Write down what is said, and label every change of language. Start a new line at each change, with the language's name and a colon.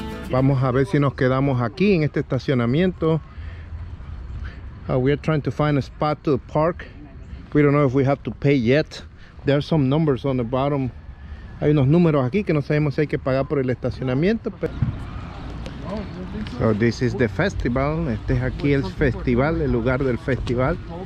Spanish: Vamos a ver si nos quedamos aquí en este estacionamiento.
English: We are trying to find a spot to park. We don't know if we have to pay yet. There are some numbers on the bottom.
Spanish: Hay unos números aquí que no sabemos si hay que pagar por el estacionamiento.
English: So this is the festival.
Spanish: Este es aquí el festival, el lugar del festival.